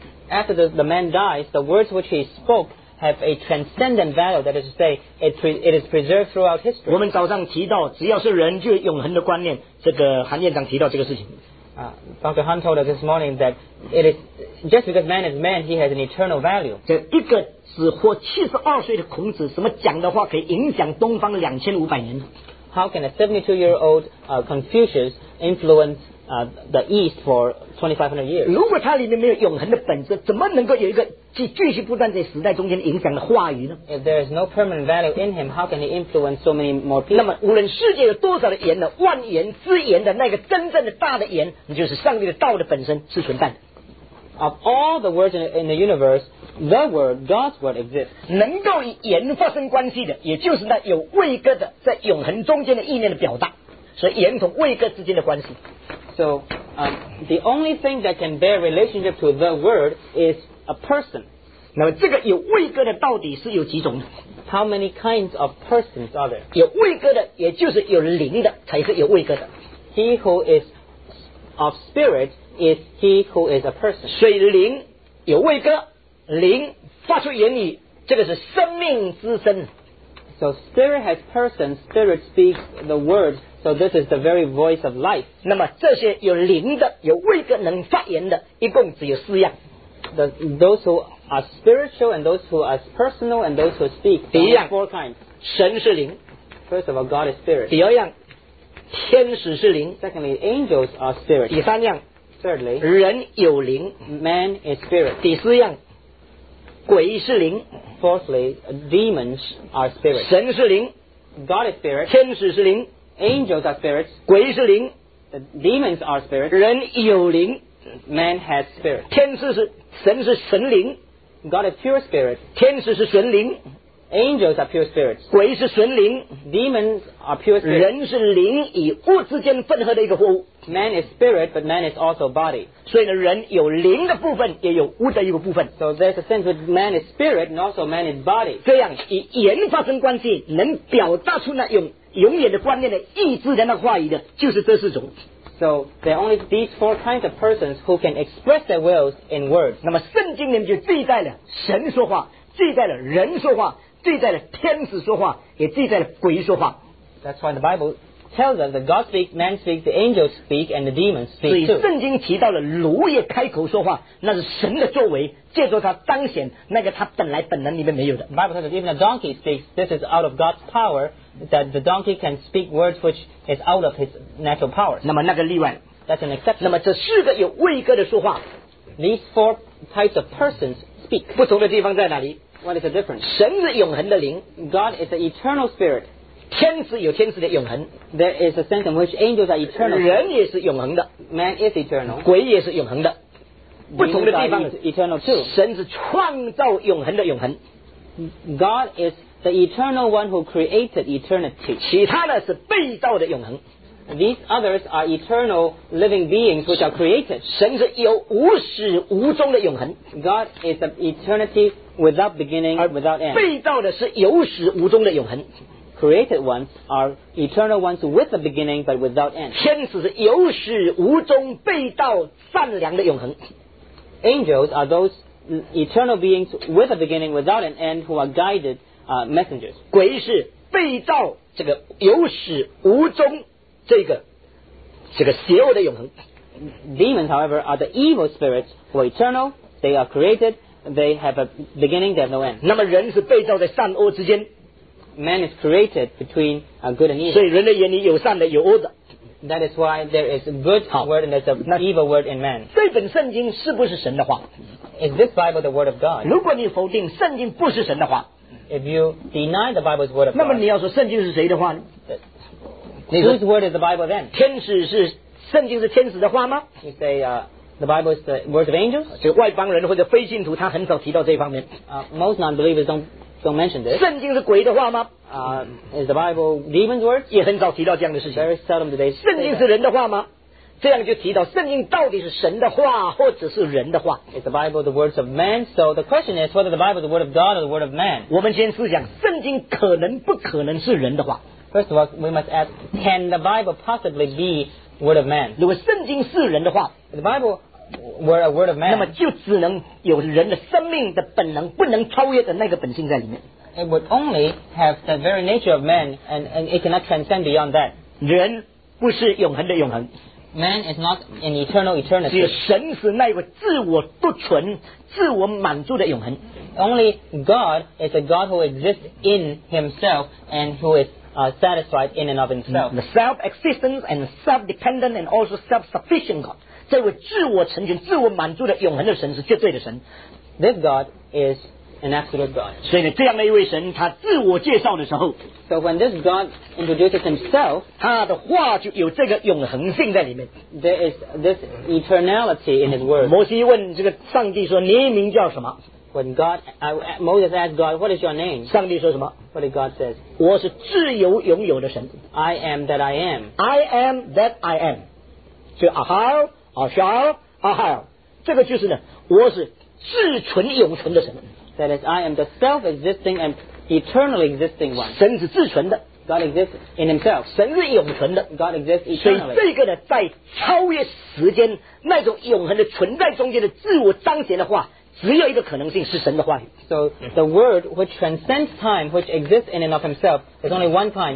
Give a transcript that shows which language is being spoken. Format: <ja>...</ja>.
<en>After the man dies, the words which he spoke have a transcendent value, that is to say, it is preserved throughout history.</en> <zh>我们早上提到，只要是人就永恒的观念，这个韩院长提到这个事情。</zh> <en>Dr. Han told us this morning that it is just because man is man, he has an eternal value.</en> <zh>这一个只活72岁的孔子，什么讲的话可以影响东方2500年？</zh> <en>How can a 72-year-old Confucius influence the East for 2500 years.</en> <zh>如果它里面没有永恒的本质，怎么能够有一个继续不断在时代中间影响的话语呢？</zh> <en>If there is no permanent value in him, how can he influence so many more people?</en> <zh>那么无论世界有多少的言呢，万言之言的那个真正的大的言，那就是上帝的道的本身是存在的。</zh> <en>Of all the words in the universe, the word, God's word exists.</en> <zh>能够与言发生关系的，也就是那有位格的在永恒中间的意念的表达，所以言同位格之间的关系。</zh> <en>So, the only thing that can bear relationship to the word is a person.</en> <zh>那么这个有位格的到底是有几种？</zh> <en>How many kinds of persons are there?</en> <zh>有位格的，也就是有灵的，才是有位格的。</zh> <en>He who is of spirit is he who is a person.</en> <zh>所以灵有位格，灵发出言语，这个是生命之声。</zh> <en>So spirit has person, spirit speaks the word, so this is the very voice of life.</en> <zh>那么这些有灵的，有位格能发言的，一共只有四样。</zh> <en>Those who are spiritual and those who are personal and those who speak, there are four kinds.</en> <zh>神是灵。</zh> <en>First of all, God is spirit.</en> <zh>第二样，天使是灵。</zh> <en>Secondly, angels are spirit.</en> <zh>第三样，</zh> <en>Thirdly,</en> <zh>人有灵。</zh> <en>Man is spirit.</en> <zh>第四样，鬼是灵。</zh> <en>Fourthly, demons are spirit.</en> <zh>神是灵。</zh> <en>God is spirit.</en> <zh>天使是灵。</zh> <en>Angels are spirit.</en> <zh>鬼是灵。</zh> <en>The demons are spirit.</en> <zh>人有灵。</zh> <en>Man has spirit.</en> <zh>天使是神是神灵。</zh> <en>God is pure spirit.</en> <zh>天使是神灵。</zh> <en>Angels are pure spirits.</en> <zh>鬼是神灵。</zh> <en>Demons are pure spirits.</en> <zh>人是灵与物之间分合的一个货物。</zh> <en>Man is spirit, but man is also body.</en> <zh>所以呢，人有灵的部分，也有物的一个部分。</zh> <en>So there's a sense that man is spirit, and also man is body.</en> <zh>这样与言发生关系，能表达出那永永远的观念的意志的那话语的，就是这四种。</zh> <en>So there are only these four kinds of persons who can express their wills in words.</en> <zh>那么圣经里面就记载了神说话，记载了人说话。记载了天使说话，也记载了鬼说话。</zh> <en>That's why the Bible tells us that God speaks, man speaks, the angels speak, and the demons speak too.</en> <zh>所以圣经提到了驴也开口说话，那是神的作为，借着他彰显那个他本来本能里面没有的。</zh> <en>The Bible says that even a donkey speaks, this is out of God's power, that the donkey can speak words which is out of his natural power.</en> <zh>那么那个例外。</zh> <en>That's an exception.</en> <zh>那么这四个有位格的说话。</zh> <en>These four types of persons speak.</en> <zh>不同的地方在哪里？</zh> <en>What is the difference?</en> <zh>神是永恒的灵。</zh> <en>God is the eternal spirit.</en> <zh>天使有天使的永恒。</zh> <en>There is a sense in which angels are eternal.</en> <zh>人也是永恒的。</zh> <en>Man is eternal.</en> <zh>鬼也是永恒的。不同的地方。</zh> <en>God is eternal too.</en> <zh>神是创造永恒的永恒。</zh> <en>God is the eternal one who created eternity.</en> <zh>其他的是被造的永恒。</zh> <en>These others are eternal living beings which are created.</en> <zh>神是有无始无终的永恒。</zh> <en>God is the eternity without beginning or without end.</en> <zh>被造的是有始无终的永恒。</zh> <en>Created ones are eternal ones with a beginning but without end.</en> <zh>天使是有始无终被造善良的永恒。</zh> <en>Angels are those eternal beings with a beginning without an end who are guided messengers.</en> <zh>鬼是被造这个有始无终这个邪恶的永恒。</zh> <en>Demons, however, are the evil spirits who are eternal. They are created. They have a beginning, they have no end.</en> <zh>那么人是被造在善恶之间。</zh> <en>Man is created between good and evil.</en> <zh>所以人的眼里有善的，有恶的。</zh> <en>That is why there is a good word and there's an evil word in man.</en> <zh>这本圣经是不是神的话？</zh> <en>Is this Bible the word of God?</en> <zh>如果你否定圣经不是神的话，</zh> <en>If you deny the Bible's word of God,</en> <zh>那么你要说圣经是谁的话呢？</zh> <en>Whose word is the Bible then?</en> <zh>天使是圣经是天使的话吗？</zh> <en>You say, The Bible is the words of angels.</en> <zh>就外邦人或者非信徒，他很少提到这方面。</zh> <en>Most non-believers don't mention this.</en> <zh>圣经是鬼的话吗？</zh> <en>Is the Bible demons' words?</en> <zh>也很少提到这样的事情。</zh> <en>Very seldom today.</en> <zh>圣经是人的话吗？这样就提到圣经到底是神的话或者是人的话。</zh> <en>Is the Bible the words of man? So the question is whether the Bible is the word of God or the word of man.</en> <zh>我们先思想圣经可能不可能是人的话。</zh> <en>First of all, we must ask, can the Bible possibly be word of man?</en> <zh>如果圣经是人的话</zh> <en>，The Bible were a word of man,</en> <zh>那么就只能有人的生命的本能不能超越的那个本性在里面。</zh> <en>It would only have the very nature of man, and it cannot transcend beyond that.</en> <zh>人不是永恒的永恒。</zh> <en>Man is not an eternal eternity.</en> <zh>只有神是那个自我独存、自我满足的永恒。</zh> <en>Only God is a God who exists in himself and who is satisfied in and of himself. The self-existence and self-dependent and also self-sufficient God.</en> <zh>这位自我成全、自我满足的永恒的神是绝对的神。</zh> <en>This God is an absolute God.</en> <zh>所以呢，这样的一位神，他自我介绍的时候</zh> <en>，So when this God introduces himself,</en> <zh>他的话就有这个永恒性在里面。</zh> <en>There is this eternality in his word.</en> <zh>摩西问这个上帝说：“你名叫什么</zh> <en>？”When God, Moses asked God, "What is your name?"</en> <zh>上帝说什么</zh> <en>？What did God says?</en> <zh>我是自由拥有的神。</zh> <en>I am that I am. I am that I am.</en> <zh>就阿哈。 Ahal, Ahal, 这个就是呢，我是至存永存的神。</zh> <en>That is, I am the self-existing and eternally existing one.</en> <zh>神是至存的。</zh> <en>God exists in himself.</en> <zh>神是永恒的。</zh> <en>God exists eternally.</en> <zh>所以这个呢，在超越时间那种永恒的存在中间的自我彰显的话，只有一个可能性，是神的话语。</zh> <en>So the word which transcends time, which exists in and of himself, is only one kind.</en>